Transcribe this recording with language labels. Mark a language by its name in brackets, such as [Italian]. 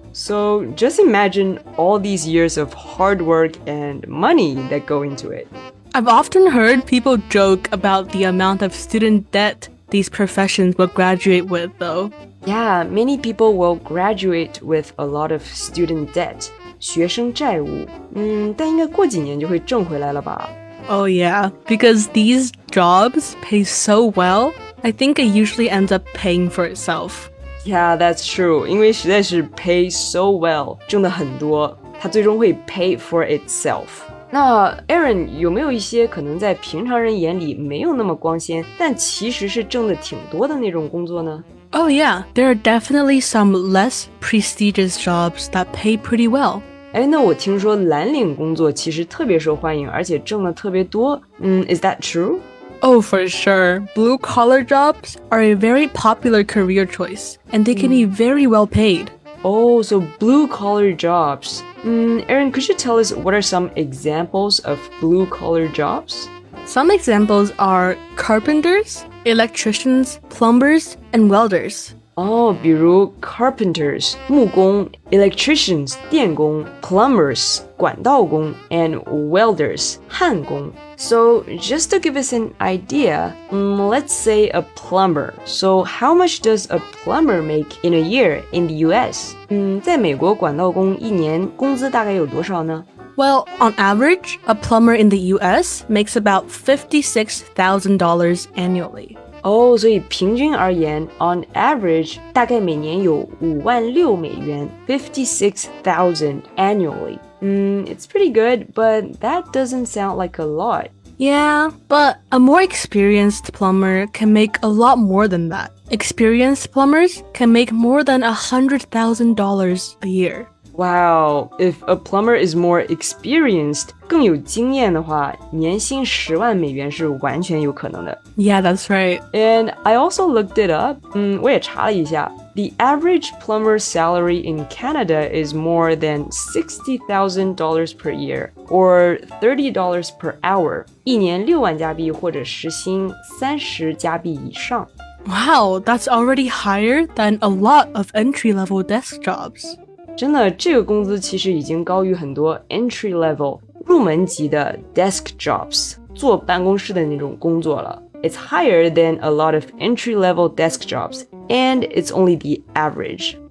[English] So just imagine all these years of hard work and money that go into it. I've often heard people joke about the amount of student debt these professions will graduate with though. Yeah, many people will graduate with a lot of student debt, [Chinese] 学生债务。但应该过几年就会挣回来了吧。 [English] Oh yeah, because these jobs pay so well,I think it usually ends up paying for itself. Yeah, that's true. [Chinese] 因为实在是 [English] pay so well, [Chinese] 挣得很多，它最终会 [English] pay for itself. [Chinese] 那 Erin, 有没有一些可能在平常人眼里没有那么光鲜，但其实是挣得挺多的那种工作呢？ [English] Oh yeah, there are definitely some less prestigious jobs that pay pretty well. [Chinese] 哎，那我听说蓝领工作其实特别受欢迎，而且挣得特别多。 [English] Is that true? Oh, for sure. Blue-collar jobs are a very popular career choice, and they can be very well paid. Oh, so blue-collar jobs. Erin, could you tell us what are some examples of blue-collar jobs? Some examples are carpenters, electricians, plumbers, and welders. Oh, 比如 carpenters, 木工, electricians, 电工, plumbers, 管道工, and welders, 焊工。 So, just to give us an idea, let's say a plumber. So, how much does a plumber make in a year in the US? [Chinese] 在美国管道工一年工资大概有多少呢? [English] Well, on average, a plumber in the US makes about $56,000 annually. [Chinese] Oh, 所以平均而言, [English] on average, [Chinese] 大概每年有56,000美元, [English] $56,000 annually. It's pretty good, but that doesn't sound like a lot. Yeah, but a more experienced plumber can make a lot more than that. Experienced plumbers can make more than $100,000 a year. Wow, if a plumber is more experienced, [Chinese] 更有经验的话，年薪10万美元是完全有可能的。 [English] Yeah, that's right. And I also looked it up. [Chinese] 我也查了一下。 [English] The average plumber's salary in Canada is more than $60,000 per year, or $30 per hour. [Chinese] 一年六万加币或者时薪三十加币以上。 [English] Wow, that's already higher than a lot of entry-level desk jobs. [Chinese] 真的，这个工资其实已经高于很多 entry-level, 入门级的 desk jobs, 坐办公室的那种工作了。 [English] It's higher than a lot of entry-level desk jobs, and it's only the average.